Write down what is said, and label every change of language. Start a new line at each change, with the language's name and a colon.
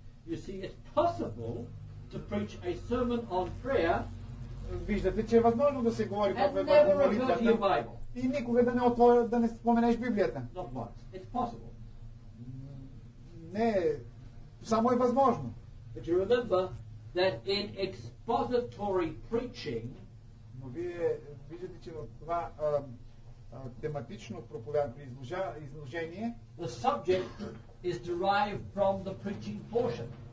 English: You see, it's possible to preach a sermon on prayer.
Bulgarian: Виждате, че е възможно да се говори по молитвата и никога да не отвориш, да не споменеш Библията.
English: Not once. It's possible.
Bulgarian: Не, само е възможно.
English: But you remember that in expository preaching.
Bulgarian: Но вие виждате, че в това тематично изложение.
English: The subject is derived from the preaching portion.